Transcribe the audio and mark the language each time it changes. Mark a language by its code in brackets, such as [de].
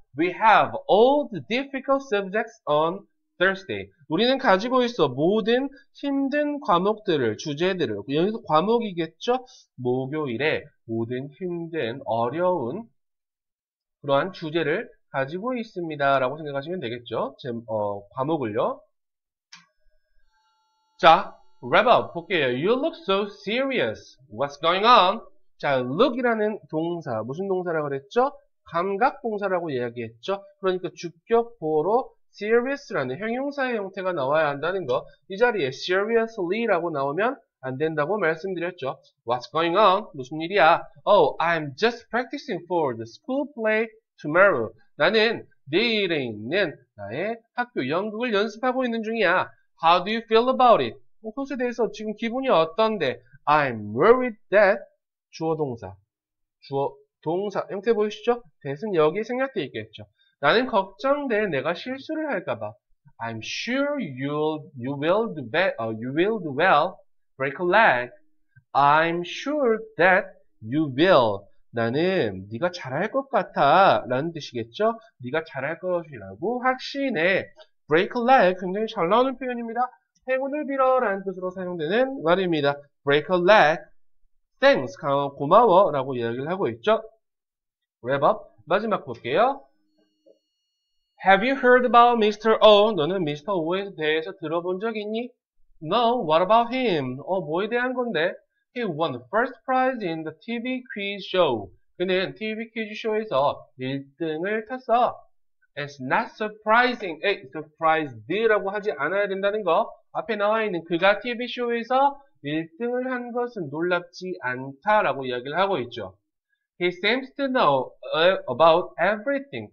[en] We have all the difficult subjects on Thursday. [ko] 우리는 가지고 있어 모든 힘든 과목들을, 주제들을, 여기서 과목이겠죠? 목요일에 모든 힘든, 어려운 그러한 주제를 가지고 있습니다. 라고 생각하시면 되겠죠. 제, 과목을요. 자, [en] wrap up [ko] 볼게요. [en] You look so serious. What's going on? [ko] 자, look이라는 동사, 무슨 동사라고 그랬죠? 감각 동사라고 이야기했죠. 그러니까 주격 보호로 serious라는 형용사의 형태가 나와야 한다는 거. 이 자리에 seriously라고 나오면 안 된다고 말씀드렸죠. [en] What's going on? [ko] 무슨 일이야? [en] Oh, I'm just practicing for the school play tomorrow. [ko] 나는 내일에 있는 나의 학교 연극을 연습하고 있는 중이야. [en] How do you feel about it? [ko] 그것에 대해서 지금 기분이 어떤데? [en] I'm worried that [ko] 주어 동사. 주어 동사 형태 보이시죠? that은 여기에 생략되어 있겠죠. 나는 걱정돼 내가 실수를 할까봐. [en] I'm sure you will do well. Break a leg. I'm sure that you will. [ko] 나는 네가 잘할 것 같아 라는 뜻이겠죠. 네가 잘할 것이라고 확신해. [en] Break a leg [ko] 굉장히 잘 나오는 표현입니다. 행운을 빌어 라는 뜻으로 사용되는 말입니다. [en] Break a leg. Thanks [ko] 고마워 라고 이야기를 하고 있죠. [en] Wrap up [ko] 마지막 볼게요. [en] Have you heard about Mr. O? [ko] 너는 [en] Mr. [ko] O에 대해서 들어본 적 있니? [en] No, what about him? [ko] 뭐에 대한 건데? [en] He won the first prize in the TV quiz show. [ko] 그는 TV 퀴즈 쇼에서 1등을 탔어. [en] It's not surprising. Surprised [ko] 라고 하지 않아야 된다는 거. 앞에 나와 있는 그가 TV 쇼에서 1등을 한 것은 놀랍지 않다라고 이야기를 하고 있죠. [en] He seems to know about everything.